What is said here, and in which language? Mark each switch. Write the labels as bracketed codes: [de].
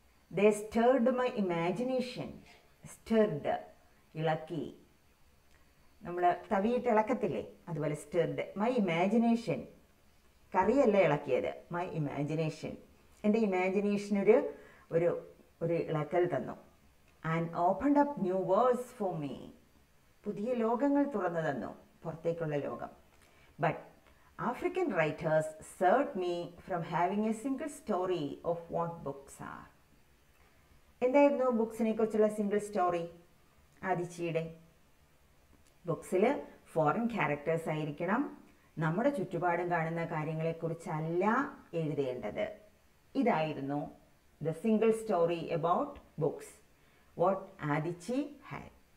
[en] They stirred my imagination. Stirred, [ml] ഇളക്കി, നമ്മൾ തവിയിട്ട് ഇളക്കത്തില്ലേ, അതുപോലെ [en] Stirred my imagination. [ml] കറിയല്ല ഇളക്കിയത്, [en] my imagination, [ml] എൻ്റെ ഇമാജിനേഷനൊരു ഒരു ഒരു ഇളക്കൽ തന്നു. [en] and open up new worlds for me, [ml] പുതിയ ലോകങ്ങൾ തുറന്നു തന്നു, പുറത്തേക്കുള്ള ലോകം. [en] But African writers served me from having a single story of what books are. [ml] എന്തായിരുന്നു ബുക്സിനെ കുറിച്ചുള്ള സിംഗിൾ സ്റ്റോറി? അതിച്ചിയുടെ ബുക്സിൽ ഫോറിൻ ക്യാരക്ടേഴ്സ് ആയിരിക്കണം. നമ്മുടെ ചുറ്റുപാടും കാണുന്ന കാര്യങ്ങളെക്കുറിച്ചല്ല എഴുതേണ്ടത്. [en] ഇതായിരുന്നു the single story about books what Adichie had.